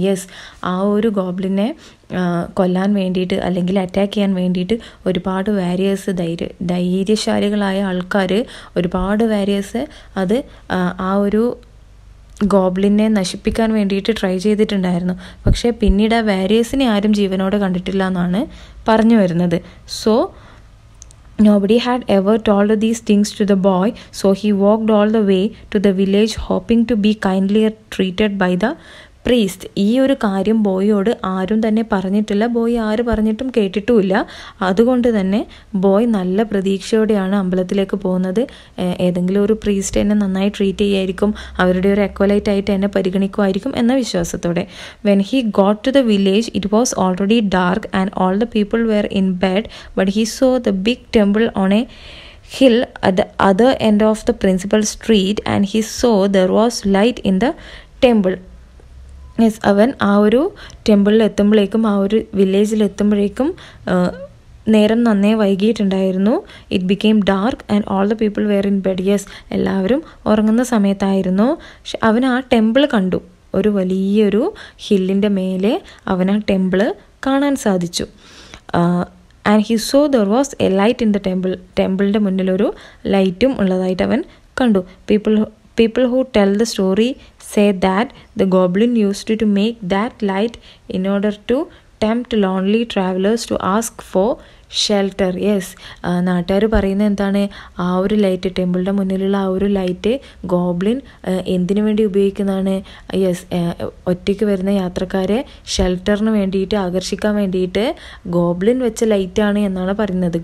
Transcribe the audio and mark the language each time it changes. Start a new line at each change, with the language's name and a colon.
Malayalam: Yes, ആ ഒരു ഗോബ്ലിനെ കൊല്ലാൻ വേണ്ടിയിട്ട് അല്ലെങ്കിൽ അറ്റാക്ക് ചെയ്യാൻ വേണ്ടിയിട്ട് ഒരുപാട് വാരിയേഴ്സ്, ധൈര്യശാലികളായ ആൾക്കാർ, ഒരുപാട് വാരിയേഴ്സ് അത് ആ ഒരു ഗോബ്ലിനെ നശിപ്പിക്കാൻ വേണ്ടിയിട്ട് ട്രൈ ചെയ്തിട്ടുണ്ടായിരുന്നു. പക്ഷേ പിന്നീട് ആ വാരിയേഴ്സിനെ ആരും ജീവനോടെ കണ്ടിട്ടില്ല എന്നാണ് പറഞ്ഞു വരുന്നത്.
English: So Nobody had ever told these things to the boy, so he walked all the way to the village hoping to be kindly treated by the priest.
Malayalam: ഈ ഒരു കാര്യം ബോയിയോട് ആരും തന്നെ പറഞ്ഞിട്ടില്ല. ബോയ് ആര് പറഞ്ഞിട്ടും കേട്ടിട്ടുമില്ല. അതുകൊണ്ട് തന്നെ ബോയ് നല്ല പ്രതീക്ഷയോടെയാണ് അമ്പലത്തിലേക്ക് പോകുന്നത്. ഏതെങ്കിലും ഒരു പ്രീസ്റ്റ് എന്നെ നന്നായി ട്രീറ്റ് ചെയ്യായിരിക്കും, അവരുടെ ഒരു അക്വലൈറ്റ് ആയിട്ട് എന്നെ പരിഗണിക്കുമായിരിക്കും എന്ന വിശ്വാസത്തോടെ.
English: When he got to the village it was already dark and all the people were in bed but he saw the big temple on a hill at the other end of the principal street and he saw there was light in the temple.
Malayalam: Yes, അവൻ ആ ഒരു ടെമ്പിളിൽ എത്തുമ്പോഴേക്കും ആ ഒരു വില്ലേജിൽ എത്തുമ്പോഴേക്കും നേരം നന്നേ വൈകിയിട്ടുണ്ടായിരുന്നു.
English: It became dark and all the people were in bed. Yes,
Malayalam: എല്ലാവരും ഉറങ്ങുന്ന സമയത്തായിരുന്നു. പക്ഷെ അവൻ ആ ടെമ്പിൾ കണ്ടു. ഒരു വലിയൊരു ഹില്ലിൻ്റെ മേലെ അവൻ ആ ടെമ്പിൾ കാണാൻ സാധിച്ചു.
English: And he saw there was a light in the temple.
Malayalam: ടെമ്പിളിൻ്റെ മുന്നിലൊരു ലൈറ്റും ഉള്ളതായിട്ട് അവൻ കണ്ടു.
English: People who tell the story say that the goblin used to make that light in order to tempt lonely travelers to ask for shelter.
Malayalam: Yes, നാട്ടുകാർ പറയുന്നത് എന്താണ്, ആ ഒരു light, ടെമ്പിളിൻ്റെ മുന്നിലുള്ള ആ ഒരു ലൈറ്റ് ഗോബ്ലിൻ എന്തിനു വേണ്ടി ഉപയോഗിക്കുന്നതാണ്? യെസ്, ഒറ്റയ്ക്ക് വരുന്ന യാത്രക്കാരെ ഷെൽട്ടറിന് വേണ്ടിയിട്ട് ആകർഷിക്കാൻ വേണ്ടിയിട്ട് ഗോബ്ലിൻ വെച്ച ലൈറ്റാണ് എന്നാണ് പറയുന്നത്.